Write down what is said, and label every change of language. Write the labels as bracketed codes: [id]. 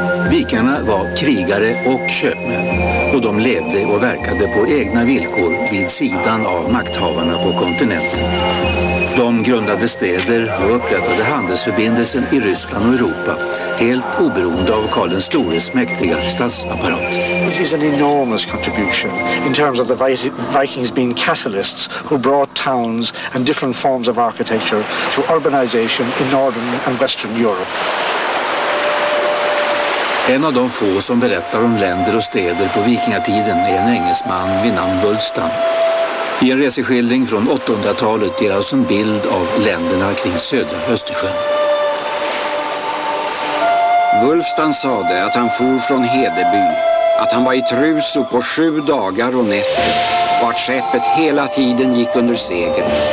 [sv] Vikingarna var krigare och köpmän och de levde och verkade på egna villkor vid sidan av makthavarna på kontinenten. De grundade städer och upprättade handelsförbindelsen i Ryssland och Europa, helt oberoende av Karl den Stores mäktiga statsapparat. [en] It is an enormous contribution in terms of the Vikings being catalysts who brought towns and different forms of architecture to urbanization in northern and western Europe. [sv] En av de få som berättar om länder och städer på vikingatiden är en engelsman vid namn Wulfstan. I en reseskildring från 800-talet ger oss en bild av länderna kring södra Östersjön. Wulfstan sade att han for från Hedeby, att han var i Truso på 7 dagar och nätter och att skeppet hela tiden gick under segel.